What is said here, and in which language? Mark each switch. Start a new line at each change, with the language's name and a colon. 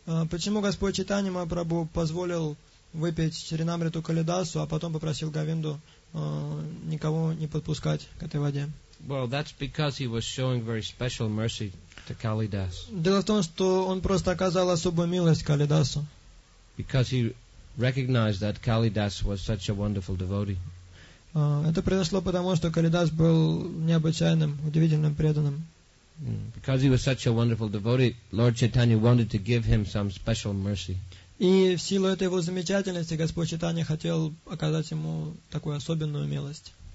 Russian: почему Господь Чайтанья Махапрабху позволил выпить Чринамриту Калидасу, а потом попросил Говинду никого не подпускать к этой воде?
English: Well, that's because he was showing very special mercy to Kalidas.
Russian: Дело в том, что он просто оказал особую милость Калидасу.
English: Because he recognized that Kalidas was such a wonderful devotee.
Russian: Это произошло потому, что Калидас был необычайным, удивительным преданным.
English: Because he was such a wonderful devotee, Lord Chaitanya wanted to give him some special mercy.
Russian: И в силу этой его замечательности Господь Чайтанья хотел оказать ему такую особенную милость.